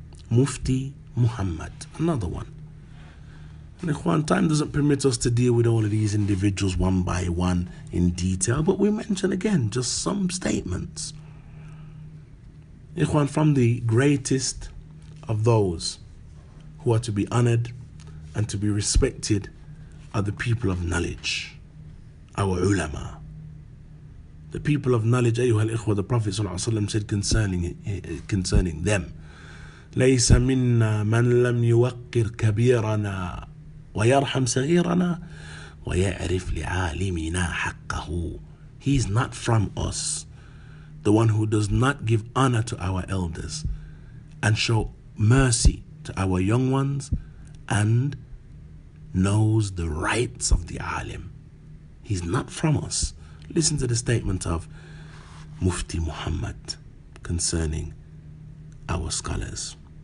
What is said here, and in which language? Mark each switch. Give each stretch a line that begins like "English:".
English: Mufti Muhammad, another one. And Ikhwan, time doesn't permit us to deal with all of these individuals one by one in detail, but we mention again just some statements. Ikhwan, from the greatest of those who are to be honored and to be respected are the people of knowledge, our ulama. The people of knowledge, ayyuhal ikhwa, the Prophet ﷺ said concerning them,
Arabic: لَيْسَ مِنَّا مَنْ لَمْ يُوَقِّرْ كَبِيرَنَا وَيَرْحَمْ صَغِيرَنَا وَيَعْرِفْ لِعَالِمِنَا حَقَّهُ.
English: He is not from us, the one who does not give honor to our elders and show mercy to our young ones and knows the rights of the alim. He's not from us. Listen to the statement of Mufti Muhammad concerning our scholars.